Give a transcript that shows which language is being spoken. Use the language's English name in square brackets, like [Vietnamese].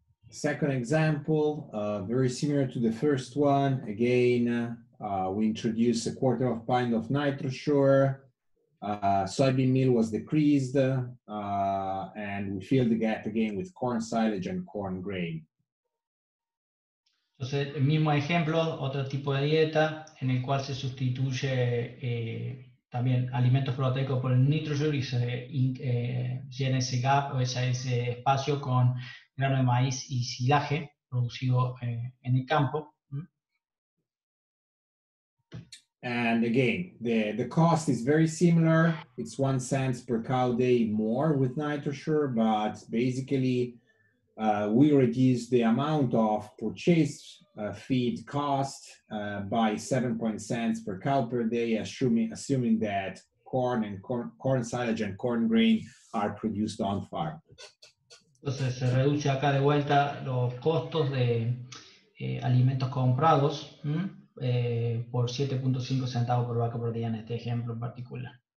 [English] Second example, very similar to the first one. Again, we introduced a quarter of a pint of NitroSure. Soybean meal was decreased, and we filled the gap again with corn silage and corn grain. [Spanish] Entonces, el mismo ejemplo, otro tipo de dieta en el cual se sustituye también alimentos proteicos por el NitroSure y se llena ese gap o ese espacio con grano de maíz y silaje producido en el campo. [English] And again, the cost is very similar. It's 1 cent per cow day more with NitroSure, but basically we reduce the amount of purchased feed cost by 7 cents per cow per day, assuming that corn and corn silage and corn grain are produced on farm. [Spanish] Entonces se reduce acá de vuelta los costos de alimentos comprados por 7.5 centavos por vaca por día en este ejemplo en particular.